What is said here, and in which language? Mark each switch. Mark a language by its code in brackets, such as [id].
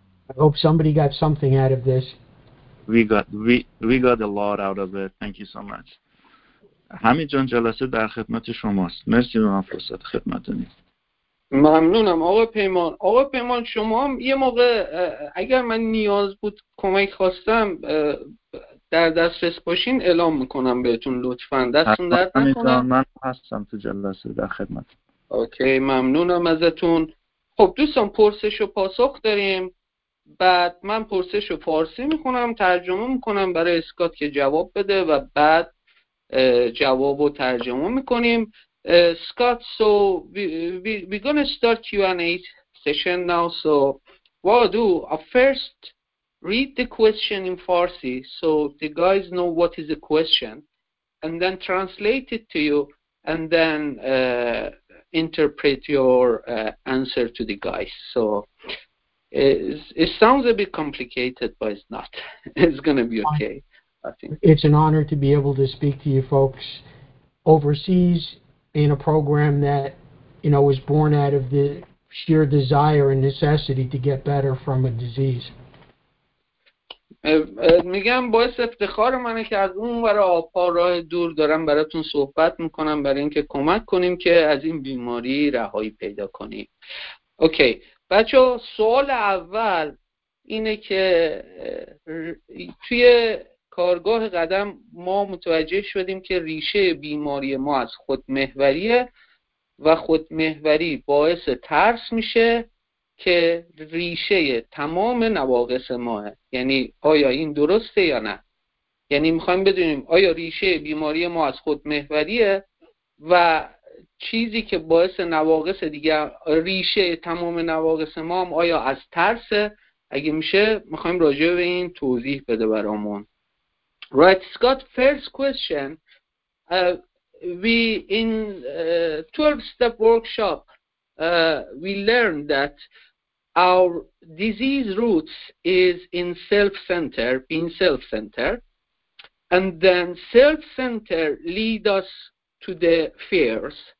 [en] I hope somebody got something out of this. We got a lot out of it. Thank you so much. [fa] حمید جان, جلسه در خدمت شماست. مرسی به من فرصت خدمت دادید. ممنونم آقا پیمان. آقا پیمان شما هم یه موقع اگر من نیاز بود کمک خواستم در دسترس باشین اعلام میکنم بهتون لطفاً. دستون درد نکنه. من هستم تو جلسه در خدمت. اوکی, ممنونم ازتون. خب دوستان, پرسش و پاسخ داریم. بعد من پرسش رو فارسی میکنم, ترجمه میکنم برای اسکات که جواب بده و بعد جواب رو ترجمه میکنیم. [en] Scott, so we're gonna start Q&A session now. So what I'll do, I'll first read the question in Farsi so the guys know what is the question and then translate it to you and then interpret your answer to the guys. So it sounds a bit complicated, but it's not. It's going to be okay, I think. It's an honor to be able to speak to you folks overseas in a program that, you know, was born out of the sheer desire and necessity to get better from a disease. [fa] میگم باعث افتخار منه که از اون ور آپا راه دور دارم براتون صحبت میکنم برای اینکه کمک کنیم که از این بیماری رهایی پیدا کنیم. [en] Okay. [fa] بچه, سوال اول اینه که توی کارگاه قدم ما متوجه شدیم که ریشه بیماری ما از خودمحوریه و خودمحوری باعث ترس میشه که ریشه تمام نواقص ماه. یعنی آیا این درسته یا نه؟ یعنی میخوایم بدونیم آیا ریشه بیماری ما از خودمحوریه و چیزی که باعث نواقص دیگر, ریشه تمام نواقص ما هم آیا از ترس؟ اگه میشه میخوایم راجع به این توضیح بده برامون. [en] Right, Scott, first question. We in 12-step workshop, we learned that our disease roots is in self-center, being self-center, and then self-center lead us to the fears.